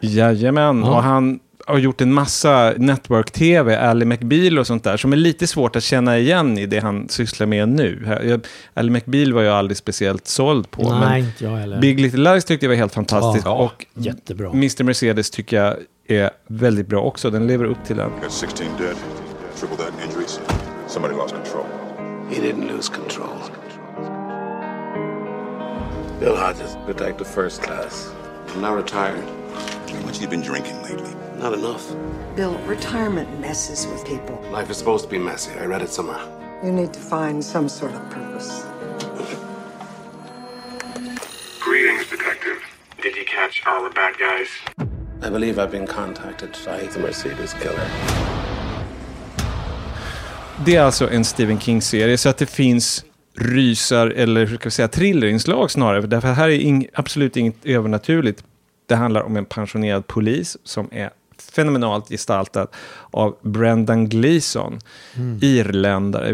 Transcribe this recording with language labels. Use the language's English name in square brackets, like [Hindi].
[Swedish] Jajamän, och han har gjort en massa network-tv, Ally McBeal och sånt där, som är lite svårt att känna igen i det han sysslar med nu. Ally McBeal var jag aldrig speciellt såld på. Nej, men inte jag heller. Big Little Lies tyckte jag var helt fantastiskt. Ja, och jättebra. Mr. Mercedes tycker jag är väldigt bra också. Den lever upp till den. [English] 16 dead, triple that injuries. Somebody lost control. He didn't lose control. Bill Hodges, detective first class. I'm now retired. How much you been drinking lately? Not enough. Bill, retirement messes with people. Life is supposed to be messy. I read it somewhere. You need to find some sort of purpose. Greetings, detective. Did you catch all the bad guys? I believe I've been contacted by the Mercedes killer. [Swedish] Det är alltså en Stephen King-serie, så att det finns rysar eller hur ska vi säga thrillerinslag snarare. Därför här är absolut inget övernaturligt. Det handlar om en pensionerad polis som är fenomenalt gestaltad av Brendan Gleeson, irländare.